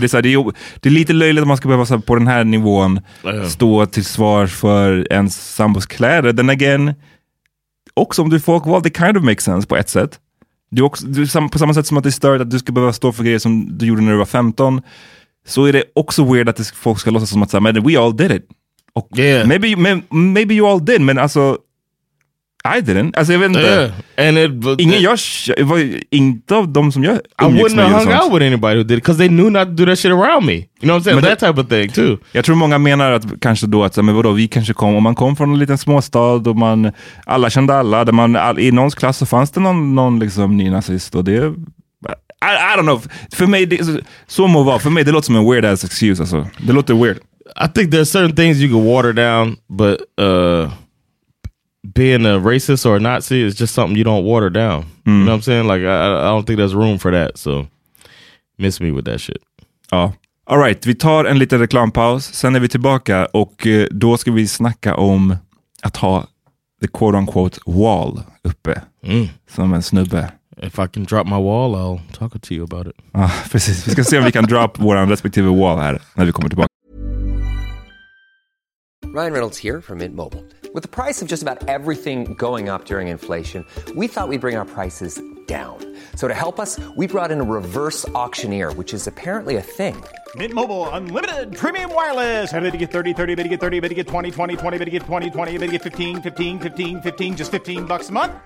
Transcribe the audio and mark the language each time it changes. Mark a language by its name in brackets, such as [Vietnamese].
[Swedish] Det är, så här, det är lite löjligt att man ska behöva så här, på den här nivån stå till svar för en sambos kläder. [English] Then again, [Swedish] också om du är folkvald, det [English] kind of makes sense [Swedish] på ett sätt. Du på samma sätt som att det är störigt att du ska behöva stå för grejer som du gjorde när du var 15, så är det också weird att folk ska låtsas som att säga, [English] we all did it. [Swedish] Och yeah. [English] Maybe you all did, [Swedish] men alltså, [English] I didn't. [Swedish] Alltså, jag vet inte. Yeah. [English] And it, [Swedish] ingen görs, inte av dem som jag [English] I wouldn't have hung out with anybody who did it, because they knew not to do that shit around me. You know what I'm saying? That type of thing, too. [Swedish] Jag tror många menar att kanske då, att, men vadå, vi kanske kom, om man kom från en liten småstad och man, alla kände alla, där man, i någons klass så fanns det någon liksom ny nazist, och det, [English] I don't know. [Swedish] För mig, så må vara, för mig, det låter som en [English] weird ass excuse, [Swedish] alltså. Det låter weird. [English] I think there are certain things you can water down, but, being a racist or a Nazi is just something you don't water down. Mm. You know what I'm saying? Like, I don't think there's room for that. So, miss me with that shit. [Swedish] Ja. [English] All right, [Swedish] vi tar en liten reklampaus. Sen är vi tillbaka och då ska vi snacka om att ha [English] the quote-unquote wall [Swedish] uppe. Mm. Som en snubbe. [English] If I can drop my wall, I'll talk to you about it. [Swedish] Ja, precis. Vi ska se om vi kan drop vår respektive wall här när vi kommer tillbaka. [English] Ryan Reynolds here from Mint Mobile. With the price of just about everything going up during inflation, we thought we'd bring our prices down. So to help us, we brought in a reverse auctioneer, which is apparently a thing. Mint Mobile Unlimited Premium Wireless. How to get 30, 30, how to get 30, how to get 20, 20, 20, how to get 20, 20, how to get 15, 15, 15, 15, just $15 a month?